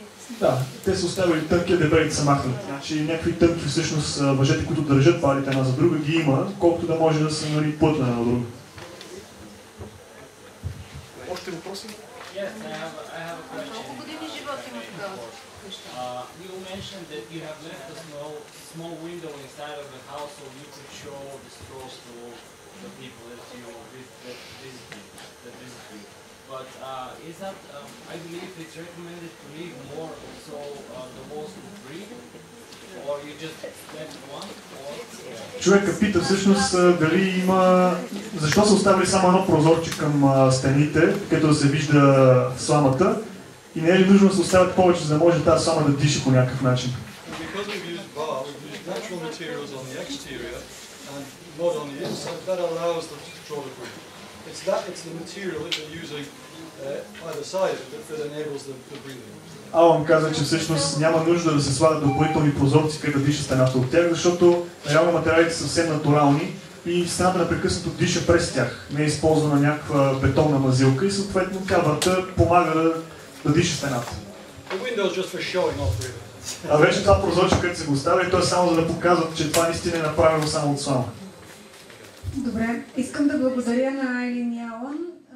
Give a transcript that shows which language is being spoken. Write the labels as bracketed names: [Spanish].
[Bulgarian] Да, те са оставили тънки, а дебелите са махнати. Значи някакви тънки всъщност въжети, които държат палите една за друга, ги има, колкото да може да се нали плътна на друга. Още въпроси? [English] Yes, I have a question. [Bulgarian] Колко години живот има тогава? [English] You mentioned that you have left a small window inside of the house so you could show the straws to the people that you visited. But is that, I believe it's recommended to leave more so the walls will breathe, or you just left one? [Bulgarian] Човека пита всъщност дали има... Защо са оставили само едно прозорче към стените, където да се вижда сламата, и не е ли нужно да се оставят повече, за да може тази слама да диша по някакъв начин? [English] Because we've used bar, we've used natural materials on the exterior, and not on the inside, that allows them to draw the breath. It's the material that they're using either side that enables them to breathe. [Bulgarian] Алън каза, че всъщност няма нужда да се слагат допълнителни прозорци, където диша стената от тях, защото реално материалите са съвсем натурални и стената напрекъснато диша през тях. Не е използвана някаква бетонна мазилка и съответно тя врата помага да диша стената. [English] The window is just for showing off, really. [Bulgarian] А вече това прозорче, където се го оставя, то е само за да показват, че това наистина е направено само от слама. Добре, искам да благодаря на Айлин Ялън.